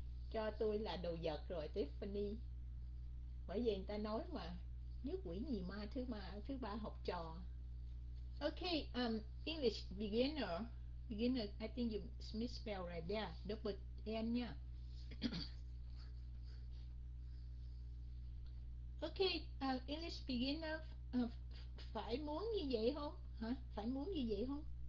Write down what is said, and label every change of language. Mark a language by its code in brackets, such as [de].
[vi] Cho tôi là đồ vật rồi Tiffany, bởi vậy người ta nói mà nhất quỷ nhì ma thứ ba học trò. [en] Ok, English beginner, beginner I think you misspell right there, double N nha. [vi] Ok, English beginner phải muốn như vậy không? Hả? Phải muốn như vậy không?